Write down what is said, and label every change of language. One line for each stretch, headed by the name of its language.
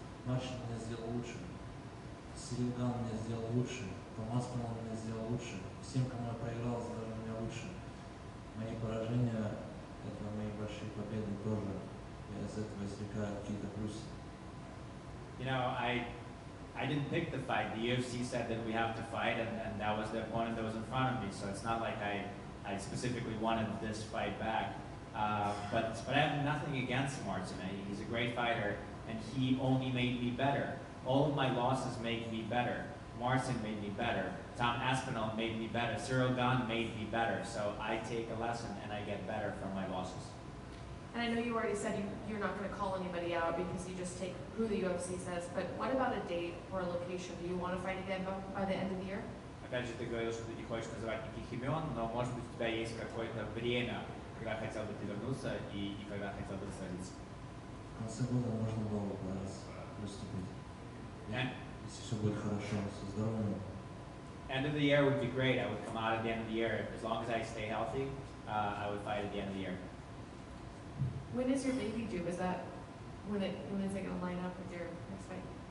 Russian: Маршин меня сделал лучше. Сильган меня сделал лучше. Томасман меня сделал лучше. Всем, кому я проиграл, сделали меня лучше. Мои поражения — это мои большие победы тоже. Я из этого извлекаю какие-то плюсы.
English: You know, I didn't pick the fight. The UFC said that we have to fight, and that was the opponent that was in front of me. So it's not like I specifically wanted this fight back. But I have nothing against Martin. He's a great fighter, and he only made me better. All of my losses make me better. Martin made me better. Tom Aspinall made me better. Ciryl Gane made me better. So I take a lesson, and I get better from my losses. And I know you already said you're not going to call anybody out because you just take who the UFC says, but what about a date or a location? Do you want to fight again by the end of the year?
Russian: Опять же, ты говорил, что ты не хочешь называть никаких имен, но, может быть, у тебя есть какое-то время, когда хотел бы ты вернуться и когда хотел бы сразиться. В конце года можно было бы раз выступить.
English: Yeah.
Russian: Если все будет хорошо, со здоровьем.
English: End of the year would be great. I would come out at the end of the year. As long as I stay healthy, I would fight at the end of the year. When is your baby due? Is that when is it going to line up with your next fight?